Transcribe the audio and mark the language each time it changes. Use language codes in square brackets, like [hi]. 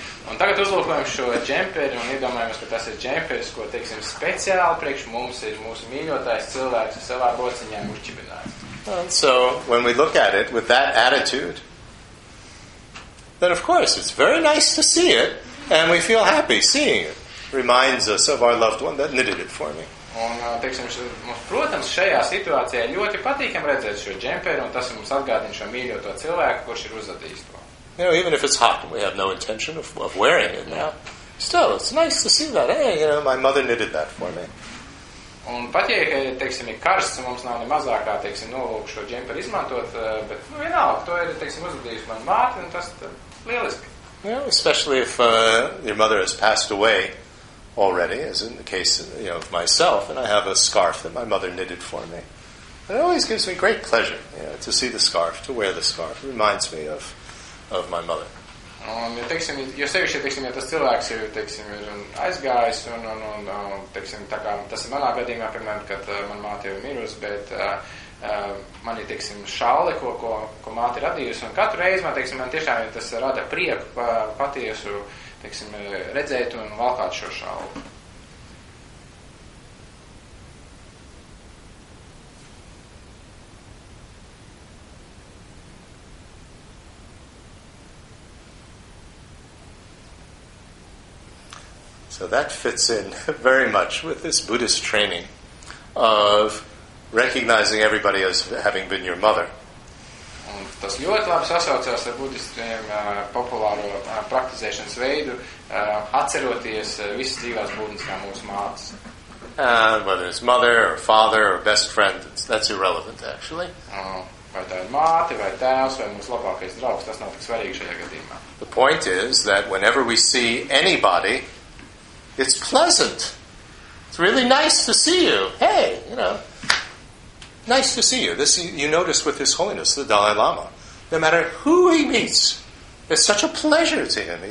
[lv] Un tagad uzlūkojam šo džemperi un iedomājamies, ka tas ir džemperis, ko, teiksim, speciāli priekš mums ir mūsu mīļotais cilvēks savā rociņā uzķibinājis. [en] So when we look at it with that attitude, then of course it's very nice to see it. And we feel happy seeing it. Reminds us of our loved one that knitted it for me. [lv] Un, teiksim, mums, protams, šajā situācijā ļoti patīkam redzēt šo džemperi, un tas mums atgādina šo mīļoto cilvēku, kurš ir uzatījis to. [en] You know, even if it's hot, we have no intention of wearing it now. Still, it's nice to see that. Hey, you know, my mother knitted that for me. [lv] Un pat, ja, teiksim, ir karsts, un mums nav ne mazākā, teiksim, nolūk šo džemperi izmantot, bet, nu, vienalga, to ir, teiksim, uzatījis man māte, un tas lieliski. [en] You know, especially if your mother has passed away already, as in the case of, you know, of myself, and I have a scarf that my mother knitted for me. It always gives me great pleasure, you know, to see the scarf, to wear the scarf. It reminds me of my mother. [lv] Ja, teiksim, jo sevišķi, teiksim, ja tas cilvēks ir, teiksim, ir aizgājis, teiksim, tā kā tas ir manā gadījumā, piemēram, kad man māte jau ir mirusi, bet man ir, teiksim, šāli, ko māte ir radījusi, un katru reizi, man, teiksim, man tiešām tas rada prieku patiesu, teiksim, redzēt un valkāt šo šāli. [en] So that fits in very much with this Buddhist training of recognizing everybody as having been your mother. [lv] Un tas ļoti labi sasaucās ar budistiem populāro praktizēšanas veidu, atceroties visas dzīvās būtnes kā mūsu mātes. [en] And whether it's mother or father or best friend, that's irrelevant actually. [lv] Vai tā ir māte, vai tēvs, vai mūsu labākais draugs, tas nav tik svarīgi šajā gadījumā. [en] The point is that whenever we see anybody, it's pleasant. It's really nice to see you. Hey, you know, nice to see you. This you notice with His Holiness, the Dalai Lama. No matter who he meets, it's such a pleasure to him.